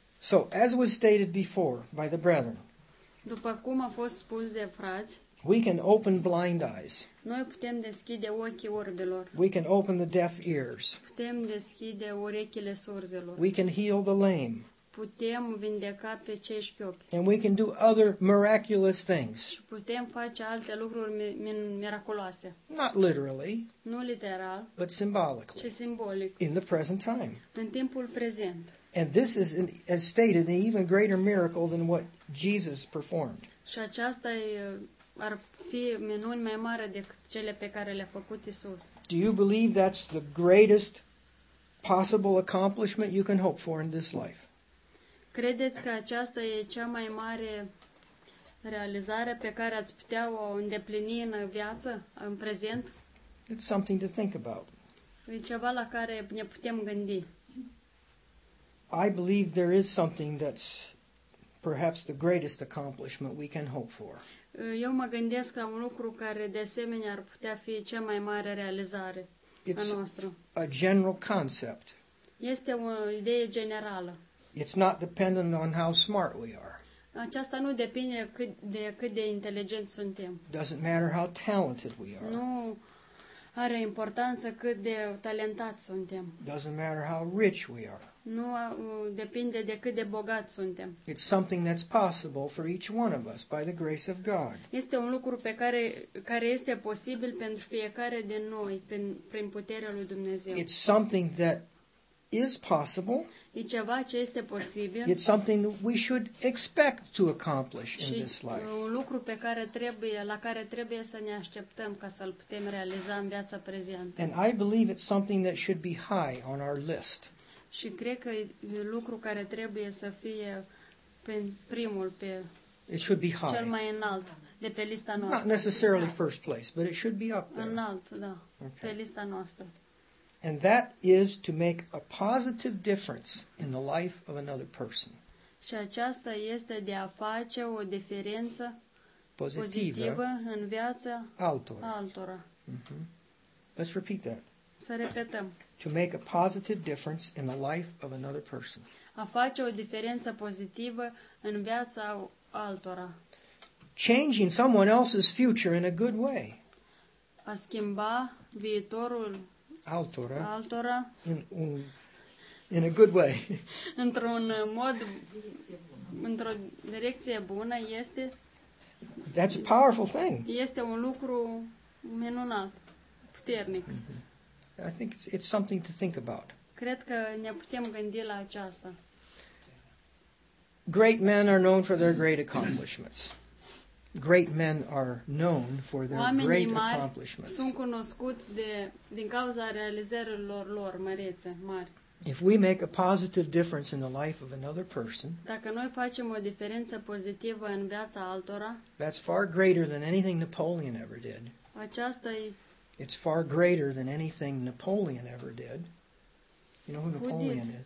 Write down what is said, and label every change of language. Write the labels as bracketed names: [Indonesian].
[English] So, as was stated before by the brethren, [Romanian] după cum a fost spus de frați, [English] we can open blind eyes. [Romanian] Noi putem deschide ochii orbilor. [English] We can open the deaf ears. [Romanian] Putem deschide urechile surzilor. [English] We can heal the lame. [Romanian] Putem vindeca pe cei șchiopi. [English] And we can do other miraculous things. [Romanian] Și putem face alte lucruri miraculoase. [English] Not literally. [Romanian] Nu literal. [English] But symbolically. [Romanian] Ci simbolic. [English] In the present time. [Romanian] În timpul prezent. [English] And this is, as stated, an even greater miracle than what Jesus performed. [Romanian] Și aceasta ar fi minuni mai mari decât cele pe care le-a făcut Isus. [English] Do you believe that's the greatest possible accomplishment you can hope for in this life? [Romanian] Credeți că aceasta e cea mai mare realizare pe care ați putea o îndeplini în viață, în prezent? [English] It's something to think about. [Romanian] E ceva la care ne putem gândi. [English] I believe there is something that's perhaps the greatest accomplishment we can hope for. [Romanian] Eu mă gândesc la un lucru care de asemenea ar putea fi cea mai mare realizare a noastră. [English] It's a general concept. [Romanian] Este o idee generală. [English] It's not dependent on how smart we are. [Romanian] Aceasta nu depinde cât de inteligenți suntem. [English] Doesn't matter how talented we are. [Romanian] Nu are importanță cât de talentați suntem. [English] Doesn't matter how rich we are. [Romanian] Nu depinde de cât de bogați suntem. [English] It's something that's possible for each one of us by the grace of God. [Romanian] Este un lucru pe care este posibil pentru fiecare din noi prin puterea lui Dumnezeu. [English] It's something that is possible. [Romanian] E ceva ce este posibil. [English] It's something that we should expect to accomplish in this life. [Romanian] Și un lucru pe care trebuie să ne așteptăm ca să-l putem realiza în viața prezentă. [English] And I believe it's something that should be high on our list. [Romanian] Și cred că e lucru care trebuie să fie primul pe [English] it should be high. [Romanian] Cel mai înalt de pe lista noastră. [English] Not necessarily first place, but it should be up there. [Romanian] Înalt, da, okay. Pe lista noastră. [English] And that is to make a positive difference in the life of another person. [Romanian] Și aceasta este de a face o diferență pozitivă în viața altora. [English] Mm-hmm. Let's repeat that. [Romanian] Să repetăm. [English] To make a positive difference in the life of another person. [Romanian] A face o diferență pozitivă în viața altora. [English] Changing someone else's future in a good way. [Romanian] A schimba viitorul altora [English] in a good way. [Romanian] Într-un mod, într-o direcție bună este. [English] That's a powerful thing. [Romanian] Este un lucru minunat, puternic. [English] I think it's something to think about. [Romanian] Cred că ne putem gândi la aceasta. [English] Great men are known for their great accomplishments. Great men are known for their [Romanian] oamenii [English] great accomplishments. [Romanian] Sunt cunoscuți din cauza realizărilor lor mărețe, mari. [English] If we make a positive difference in the life of another person, [Romanian] dacă noi facem o diferență pozitivă în viața altora, [English] that's far greater than anything Napoleon ever did. [Romanian] Aceasta e. [English] It's far greater than anything Napoleon ever did. You know who Napoleon is?